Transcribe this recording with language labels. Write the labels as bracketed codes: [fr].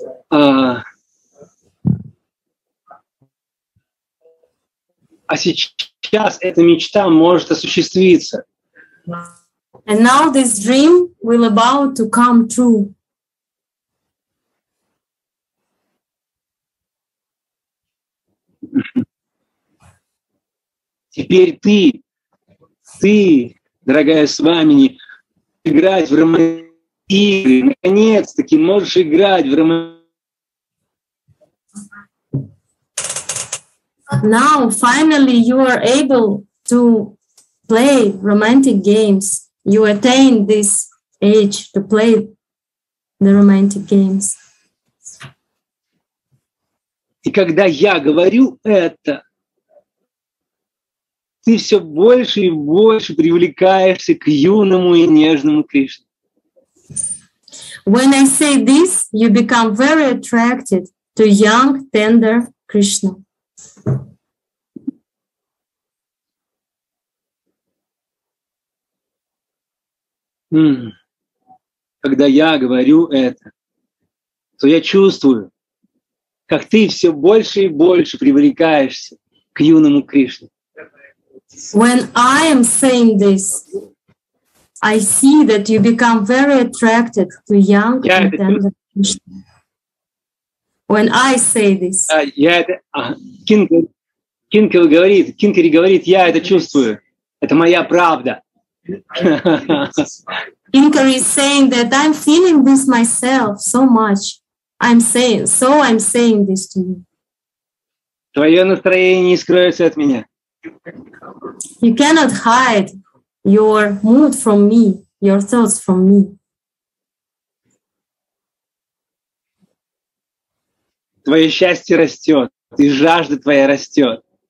[ru] А сейчас эта мечта может осуществиться. [en] And now this dream will about to come true. [ru] Теперь ты, дорогая Свамини, играть в романтики. Наконец-таки можешь играть в романтики. [en] Now, finally, you are able to play romantic games. You attained this age to play the romantic games. [ru] И когда я говорю это, ты все больше и больше привлекаешься к юному и нежному Кришне. [en] When I say this, you become very attracted to young, tender Krishna. [ru] Когда я говорю это, то я чувствую, как ты все больше и больше привлекаешься к юному Кришне. [en] When I am saying this, I see that you become very attracted to young and tender Krishna. When I say this, [ru] Кинкари говорит, я это чувствую, это моя правда. [en] Кинкари is saying that I'm feeling this myself so much. I'm saying this to you. [ru] Твое настроение не скроется от меня. [en] You cannot hide your mood from me, your thoughts from me. [ru] Твое счастье растет, и жажда твоя растет.